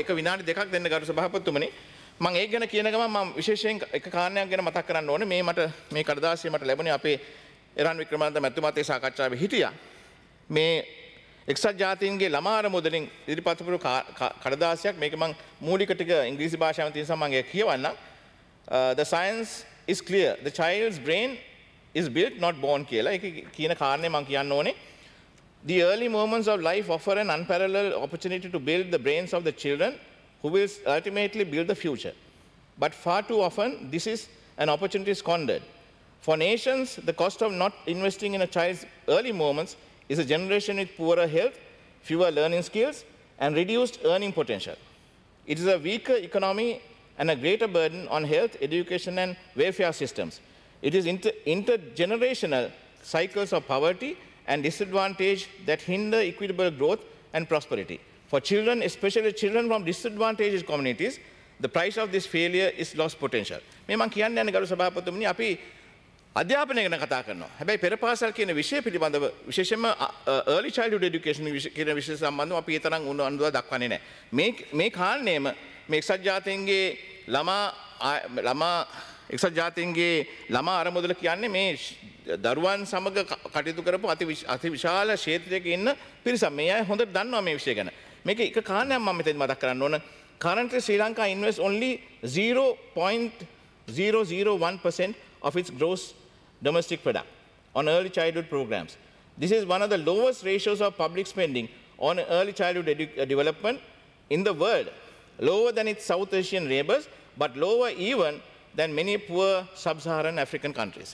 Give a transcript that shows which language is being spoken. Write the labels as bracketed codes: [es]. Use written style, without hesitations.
[si] එක විනාඩි දෙකක් දෙන්න ගරු සභාපතිතුමනි. මම ඒක ගැන කියන ගමන් මම විශේෂයෙන් එක කාරණයක් ගැන මතක් කරන්න ඕනේ. මේ කඩදාසිය මට ලැබුණේ අපේ එරන් වික්‍රමන්ත මැතිතුමාගේ සාකච්ඡාවේ හිටියා. මේ එක්සත් ජාතීන්ගේ ළමාර මුදලින් ඉදිරිපත් කරපු කඩදාසියක්. මේක මම මූලික ටික ඉංග්‍රීසි භාෂාවෙන් තියෙන සම්මන් ඒක කියවන්නම්. [en] The science is clear. The child's brain is built not born [si] කියලා. ඒක කියන කාරණේ මම කියන්න ඕනේ. [en] The early moments of life offer an unparalleled opportunity to build the brains of the children who will ultimately build the future. But far too often this is an opportunity squandered. For nations, the cost of not investing in a child's early moments is a generation with poorer health, fewer learning skills, and reduced earning potential. It is a weaker economy and a greater burden on health, education, and welfare systems. It is intergenerational cycles of poverty and disadvantage that hinder equitable growth and prosperity. For children, especially children from disadvantaged communities, the price of this failure is lost potential. [si] මේ මං කියන්නේ යන ගරු සභාපතිතුමනි අපි අධ්‍යාපනය ගැන කතා කරනවා. හැබැයි පෙරපාසල් කියන විෂය පිළිබඳව විශේෂයෙන්ම early childhood education කියන විෂය සම්බන්ධව අපි ඒ තරම් උනන්දුව දක්වන්නේ නැහැ. මේ කාරණේම මේ එක්සත් ජාතීන්ගේ ළමා එක්සත් ජාතීන්ගේ ළමා අරමුදල කියන්නේ මේ දරුවන් සමග කටයුතු කරපු අති විශාල ක්ෂේත්‍රයක ඉන්න පිරිස. මේ අය හොඳට දන්නවා මේ විෂය ගැන. මේක එක කාරණයක් මම මෙතෙන් මතක් කරන්න ඕන. [en] Currently Sri Lanka invests only 0.001% of its gross domestic product on early childhood programs. This is one of the lowest ratios of public spending on early childhood development in the world, lower than its South Asian neighbors, but lower even than many poor sub-Saharan African countries.